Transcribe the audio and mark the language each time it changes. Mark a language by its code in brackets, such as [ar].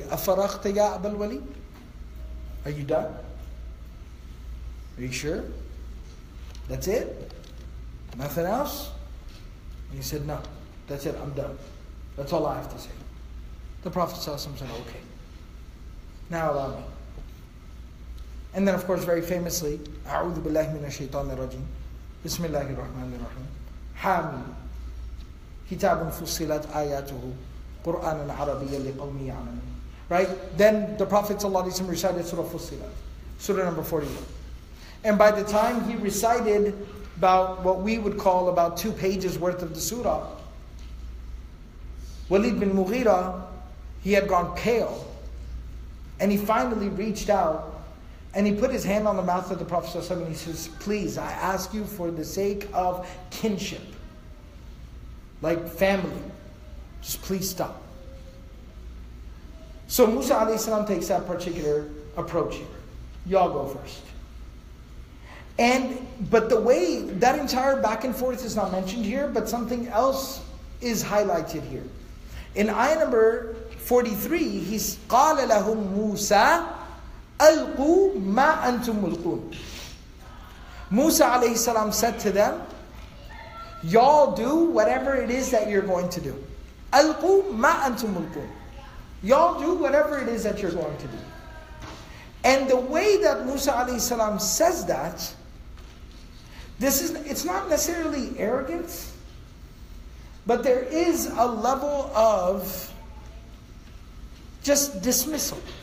[ar] أَفَرَغْتَ يَا أَبَا الْوَلِيدِ? [en] Are you done? Are you sure? That's it? Nothing else? And he said, no, that's it, I'm done. That's all I have to say. The Prophet ﷺ said, okay, now allow me. And then of course very famously, [ar] أعوذ بالله من الشيطان الرجيم بسم الله الرحمن الرحيم حم كتاب فصلت آياته قرآن عربي لقوم يعلمون. [en] Right? Then the Prophet ﷺ recited Surah Fussilat, Surah number 41. And by the time he recited about what we would call about 2 pages worth of the surah, Walid bin Mughira, he had gone pale. And he finally reached out and he put his hand on the mouth of the Prophet ﷺ and he says, please, I ask you for the sake of kinship, like family, just please stop. So Musa alayhi salam takes that particular approach here. Y'all go first. But the way, that entire back and forth is not mentioned here, but something else is highlighted here. In ayah number 43, he's [ar] قَالَ لَهُمْ مُوسَىٰ أَلْقُوا مَا أَنْتُمْ مُلْقُونَ. [en] Musa alayhi salam said to them, y'all do whatever it is that you're going to do. [ar] أَلْقُوا مَا أَنْتُمْ مُلْقُونَ. [en] Y'all do whatever it is that you're going to do. And the way that Musa alayhi salam says that, this is, it's not necessarily arrogance, but there is a level of just dismissal.